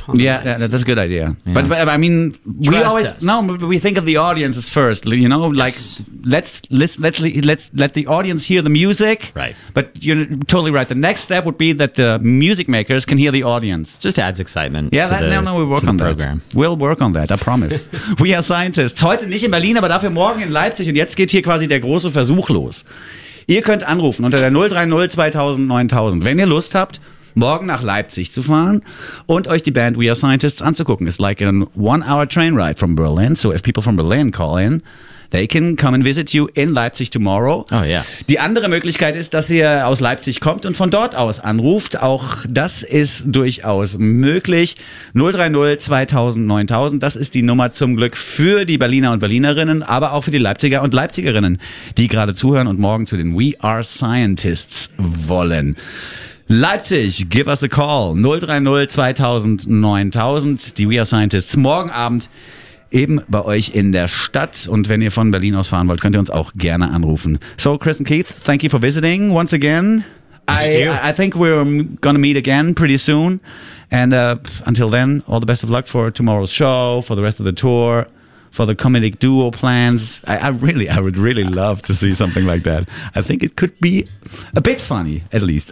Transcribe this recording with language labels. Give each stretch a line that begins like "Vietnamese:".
English: Yeah, that's a good idea. Yeah. But I mean, but we think of the audiences first. You know, like let's let the audience hear the music. Right. But you're totally right. The next step would be that the music makers can hear the audience. Just adds excitement. Yeah, we'll work on that. We'll work on that, I promise. We are scientists.
German: Heute nicht in Berlin, aber dafür morgen in Leipzig. Und jetzt geht hier quasi der große Versuch los. Ihr könnt anrufen unter der 030 2000 9000, wenn ihr Lust habt, morgen nach Leipzig zu fahren und euch die Band We Are Scientists anzugucken.
English: It's like a one-hour train ride from Berlin. So if people from Berlin call in, they can come and visit you in Leipzig tomorrow. Oh yeah.
German: Die andere Möglichkeit ist, dass ihr aus Leipzig kommt und von dort aus anruft. Auch das ist durchaus möglich. 030 2000 9000, das ist die Nummer zum Glück für die Berliner und Berlinerinnen, aber auch für die Leipziger und Leipzigerinnen, die gerade zuhören und morgen zu den We Are Scientists wollen.
English: Leipzig, give us a call. 030 2000 9000,
German: die We Are Scientists morgen Abend. Eben bei euch in der Stadt. Und wenn ihr von Berlin aus fahren wollt, könnt ihr uns auch gerne anrufen.
English: So, Chris and Keith, thank you for visiting once again. I think we're going to meet again pretty soon. And until then, all the best of luck for tomorrow's show, for the rest of the tour, for the comedic duo plans. I would really love to see something like that. I think it could be a bit funny, at least.